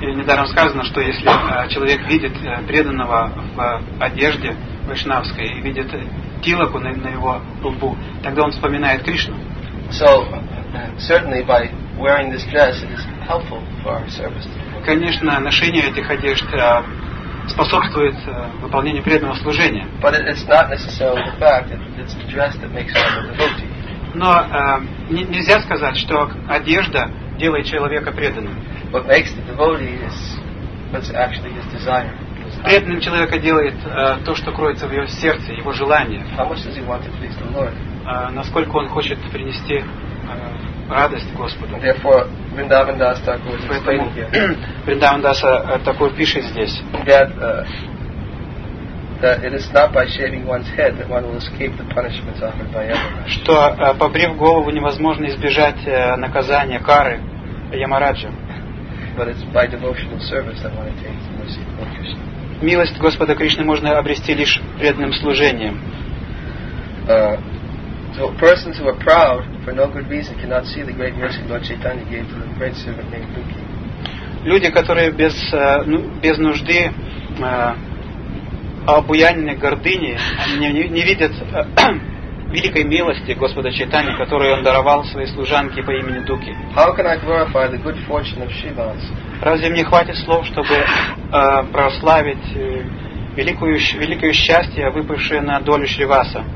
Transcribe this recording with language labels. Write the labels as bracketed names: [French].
[Russian] И недаром сказано, что если человек видит преданного в одежде вайшнавской и видит тилаку на его лбу, тогда он вспоминает Кришну. [English] So certainly by wearing this dress, it is helpful for our service. [Russian] Конечно, ношение этих одежд способствует выполнению преданного служения. [English] But it's not necessarily the fact that it's the dress that makes one a devotee. [Russian] Но нельзя сказать, что одежда делает человека преданным. [English] What makes the devotee is what's actually his desire. [Russian] Преданным человека делает то, что кроется в его сердце, его желание. [English] How much does he want to please the Lord? [Russian] Насколько он хочет принести радость Господу. [English] Therefore, Vrindavan Das Thakur is explaining here. [Russian] Vrindavan Das Thakur пишет здесь. [English] That it is not by shaving one's head that one will escape the punishments offered by Yamaraj. [Russian] Что побрив голову невозможно избежать наказания кары Ямараджа. [English] But it's by devotional service that one attains the mercy of Krishna. [Russian] Милость Господа Кришны можно обрести лишь преданным служением. [English] So persons who are proud for no good reason cannot see the great mercy Lord Chaitanya gave to the great servant named Dukhi. [Russian] Люди, которые без нужды обуянены гордыней, не видят великой милости Господа Чайтаньи, которую он даровал своей служанке по имени Дуки. [English] How can I glorify the good fortune of Shivas? [Russian] Разве мне хватит слов, чтобы прославить великое счастье, выпавшее на долю Шриваса?